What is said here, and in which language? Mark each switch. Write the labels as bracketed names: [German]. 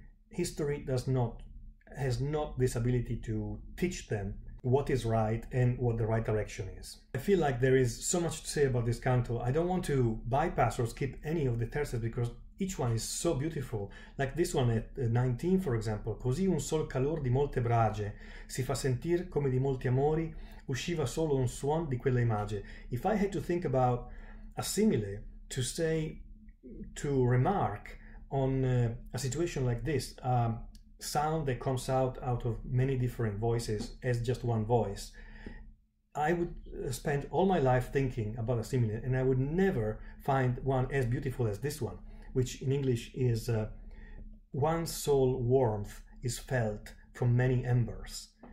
[English] History has not this ability to teach them what is right and what the right direction is. I feel like there is so much to say about this canto. I don't want to bypass or skip any of the terces because each one is so beautiful. Like this one at 19, for example. [Italian] Così un sol calor di molte brage si fa sentir come di molti amori usciva solo un suon di quella image. [English] If I had to think about a simile to say, to remark on a situation like this, sound that comes out of many different voices as just one voice, I would spend all my life thinking about a simile, and I would never find one as beautiful as this one, which in English is one soul warmth is felt from many embers.